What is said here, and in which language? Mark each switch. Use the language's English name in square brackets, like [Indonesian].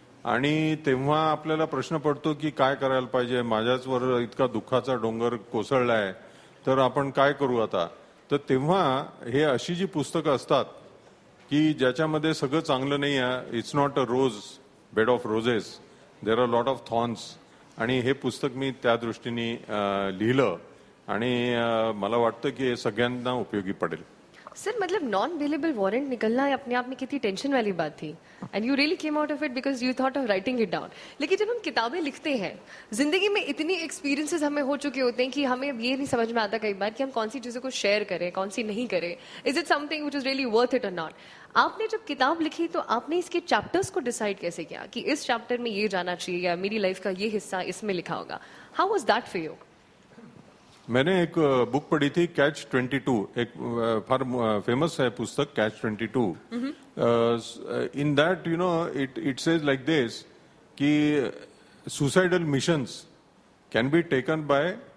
[Marathi] आणि तेव्हा आपल्याला प्रश्न पडतो की काय करायला पाहिजे माझ्याचवर इतका दुःखाचा डोंगर कोसळलाय तर आपण काय करू आता तर तेव्हा हे अशी जी पुस्तकं असतात की ज्याच्यामध्ये सगळं चांगलं नाही आहे [English] it's not a rose bed of roses there are lot of thorns [Marathi] आणि हे पुस्तक मी त्या दृष्टीने लिहिलं आणि मला वाटतं की हे सगळ्यांना उपयोगी पडेल [Hindi] सर मतलब नॉन बिलेबल वॉरंट निकलना अपने आप में कितनी टेंशन वाली बात थी [English] and you really came out of it because you thought of writing it down [Hindi] लेकिन जब हम किताबें लिखते हैं जिंदगी में इतनी एक्सपीरियंसेस हमें हो चुके होते हैं कि हमें ये नहीं समझ में आता कई बार कि हम कौन सी चीजों को शेयर करें कौन सी नहीं करें [English] is it something which is really worth it [Hindi] और नॉट आपने जब किताब लिखी तो आपने इसके चैप्टर्स को डिसाइड कैसे किया कि इस चैप्टर में ये जाना चाहिए या मेरी लाइफ का ये हिस्सा इसमें लिखा होगा [English] how was that for you [Hindi] मैंने एक बुक पढ़ी थी कैच 22 एक फार फेमस है पुस्तक catch 22 [English] in that you know it says like this कि suicidal missions can be taken by